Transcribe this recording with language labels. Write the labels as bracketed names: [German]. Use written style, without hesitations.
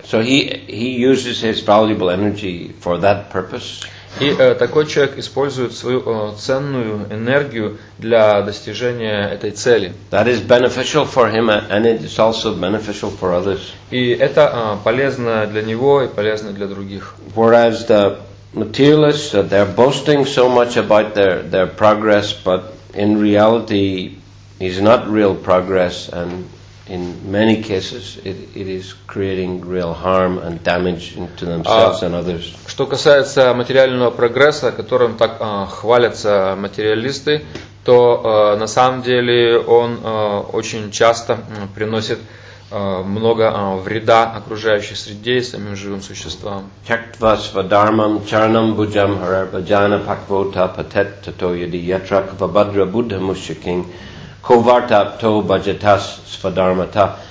[English] So he uses his valuable energy for that purpose. [Russian] И такой человек использует свою ценную энергию для достижения этой цели. [English] That is beneficial for him, and it is also beneficial for others. [Russian] И это полезно для него и полезно для других. [English] Whereas the materialists, they're boasting so much about their progress, but in reality, is not real progress, and in many cases, it is creating real harm and damage to themselves and others. [Russian] Что касается материального прогресса, которым так хвалятся материалисты, то на самом деле он очень часто приносит много вреда окружающей среде и самим живым существам. [Sanskrit] Чактва свадармам чарнам буджам харабаджана паквота патет тато яди ятрак вабадра буддха мушчакинг коварта то баджатас свадармата.